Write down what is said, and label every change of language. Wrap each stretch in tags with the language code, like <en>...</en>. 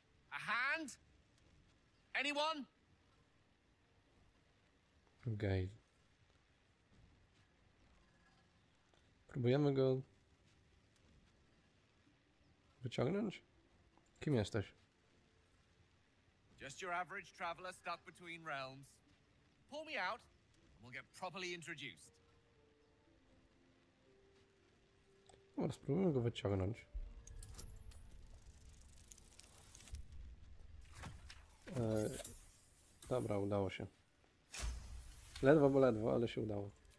<en>A hand? Anyone?</en> <pl>Okej. Próbujemy go wyciągnąć? Kim jesteś?</pl> <en>Just your average traveler stuck between realms. Pull me out, and we'll get properly introduced.</en> <pl>Dobra, spróbujmy go wyciągnąć. Dobra, udało się. Ledwo, bo ledwo, ale się udało.</pl>